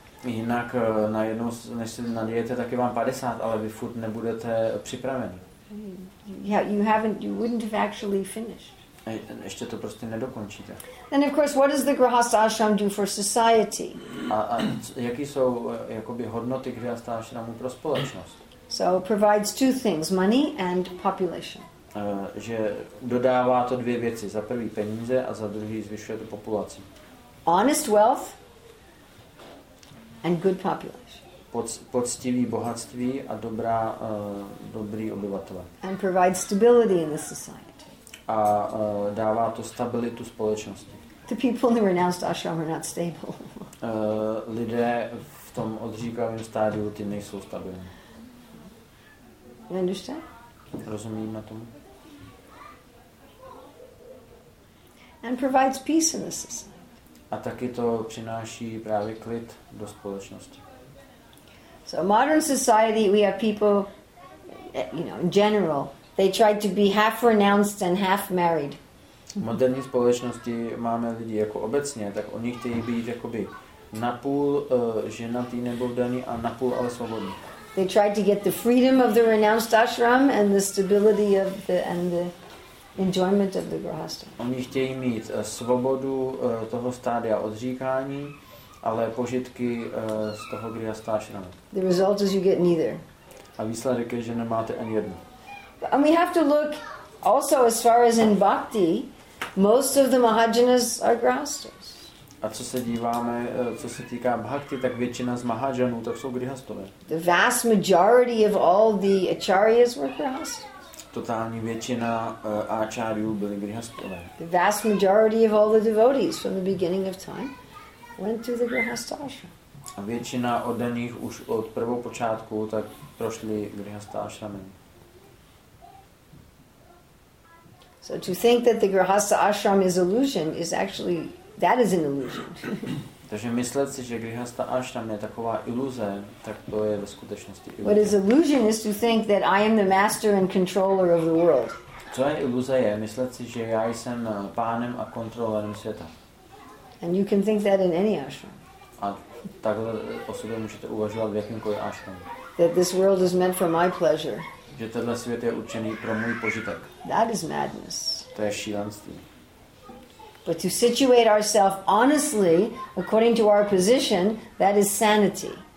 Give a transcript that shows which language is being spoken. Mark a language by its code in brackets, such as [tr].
[cs] Jinak najednou, než se nadějete, tak je vám 50, ale vy furt nebudete připraveni. [en] You wouldn't have actually finished. [cs] Ještě to prostě nedokončíte. [en] And of course, what does the grihastha ashram do for society? [cs] A jaký jsou jakoby hodnoty grihastha ashramu pro společnost? [en] So it provides two things, money and population. [cs] Že dodává to dvě věci, za prvý peníze a za druhý zvyšuje tu populaci. [en] Honest wealth and good population. [cs] Poctivý bohatství a dobrý obyvatele. [en] And provides stability in the society. [cs] A dává to stabilitu společnosti. [en] The people in the renounced ashram are not stable. [cs] Lidé v tom odříkavém stádiu, ty nejsou stabilní. [en] You understand? [cs] Rozumím na tom. [en] And provides peace in the society. [cs] A taky to přináší právě klid do společnosti. [en] So modern society, we have people, you know, in general, they tried to be half renounced and half married. [cs] V moderní společnosti máme lidi jako obecně, tak oni chtějí být jakoby napůl ženatý nebo vdaný a napůl ale svobodný. [en] They tried to get the freedom of the renounced ashram and the stability of the and the enjoyment of the grihastha. [cs] Oni chtějí mít svobodu toho stádia odříkání, ale požitky z toho grihastha ashramu. [en] The result is you get neither. [cs] A výsledek je, že nemáte ani jedno. [en] And we have to look also as far as in bhakti, most of the mahajanas are grihasthas. [cs] A co se díváme, co se týká bhakti, tak většina z mahajanů tak jsou grihasthové. [en] The vast majority of all the acharyas were grihasthas. [cs] Totální většina acharyů byli grihasthové. [en] The vast majority of all the devotees from the beginning of time went through the grihastha ashram. [cs] A většina oddaných už od prvopočátku tak prošli grihastha ashramem. [en] So to think that the grihastha ashram is illusion is actually that is an illusion. [cs] Takže myslet si, že grihastha ashram je taková iluze, tak to je ve skutečnosti iluze. [en] What is illusion is to think that I am the master and controller of the world. [cs] Co je iluze je myslet si, že já jsem pánem a kontrolérem světa. [en] And you can think that in any ashram. [cs] A takhle o sobě můžete uvažovat v jakýmkoliv ashramu. [en] That this world is meant for my pleasure. [cs] Že tenhle svět je určený pro můj požitek. [en] That is madness. [cs] To je šílenství. [en] But to situate ourselves honestly according to our position, that is sanity.